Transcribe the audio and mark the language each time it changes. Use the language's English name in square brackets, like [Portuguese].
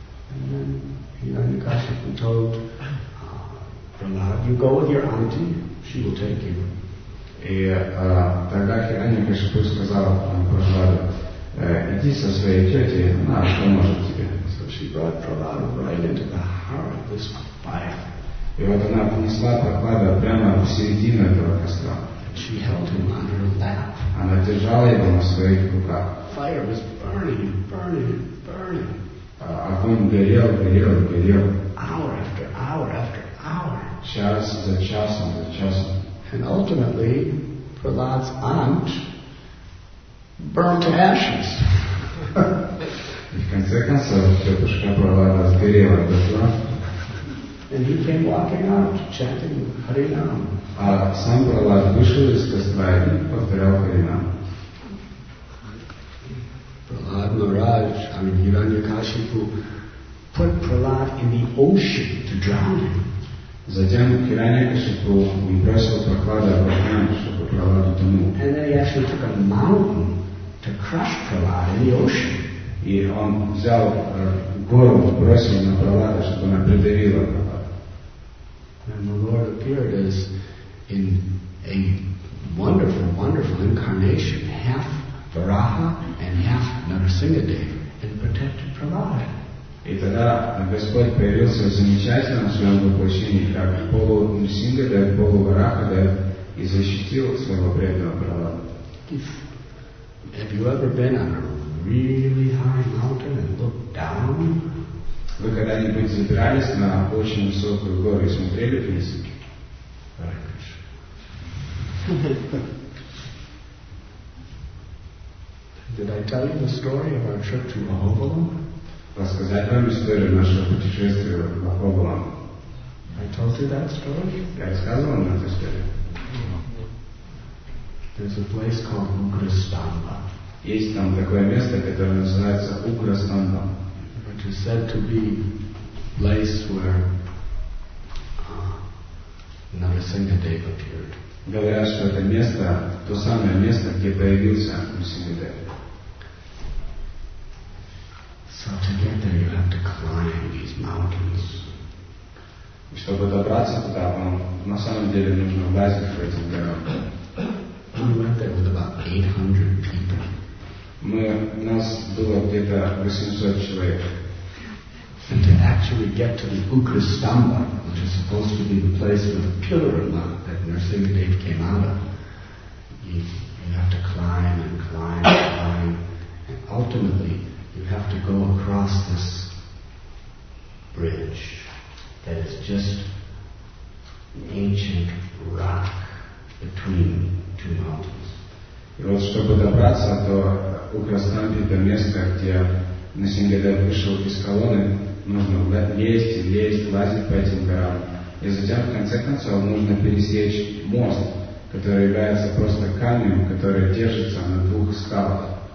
[English] And then Хираньякашипу told Prahlad, "You go with your auntie; she will take you." [Russian] И тогда Хираньякашипу сказал Прахладу, "Иди со своей тетей, она поможет тебе." [English] She brought Prahlad right into the heart of this fire. [Russian] И вот она принесла Прахлада прямо в середину этого костра. [English] She held him on her lap. [Russian] Она держала его на своих руках. [English] Fire was burning, burning, burning. [Russian] Огонь горел, горел, горел. [English] Hour after hour after hour. [Russian] Час за часом, за часом. [English] And ultimately, Prahlad's aunt burned to ashes. [Russian] И в конце концов, тетушка Прахлада сгорела дотла. [English] And he came walking out, chanting Харинам. [Russian] А сам Прахлад вышел из костра и повторял Харинам. [English] Прахлад Махарадж, I mean, Хираньякашипу, put Prahlad in the ocean to drown him. [Russian] Затем Хираньякашипу бросил Прахлада в океан, чтобы Прахлад утонул. [English] And then he actually took a mountain to crush Prahlad in the ocean. [Russian] И он взял гору, бросил на Прахлада, чтобы она придавила Прахлада. [English] And the Lord appeared as in a wonderful, wonderful incarnation, half Varaha and half Narasimhadev, and protected Prahlada. [Russian] И тогда Господь появился в замечательном своем воплощении, как полу-Нарасимхадев, полу-Варахадев, и защитил своего преданного Прахлада. [English] Have you ever been on a really high mountain and look down? [Russian] Вы когда-нибудь забирались на очень высокую гору и смотрели вниз? [English] Did I tell you the story of our trip to Mahobalam? [Russian] Рассказать вам историю нашего путешествия в Mahobalam? [English] I told you that story? [Russian] Я рассказывал вам эту историю. [English] There's a place called Ugrastamba. [Russian] Есть там такое место, которое называется Ugrastamba. [English] Which is said to be a place where Narasimhadev appeared. [Russian] Говорят, что это место, то самое место, где появился Нарасимхадев. [English] So to get there you have to climb these mountains. [Russian] И чтобы добраться туда, вам на самом деле нужно лазить по этим горам. [English] We went there with about 800 people. [Russian] У нас было где-то 800 человек. [English] And to actually get to the Ugrastamba, which is supposed to be the place where the pillar of love that Narasimhadev came out of, you have to climb and climb and climb, and ultimately you have to go across this bridge that is just an ancient rock between two mountains. [Russian] И вот чтобы добраться до Украснанди, до места, где на 7 лет вышел из колонны, нужно лезть и лезть, лазить по этим горам. И затем, в конце концов, нужно пересечь мост, который является просто камнем, который держится на двух скалах.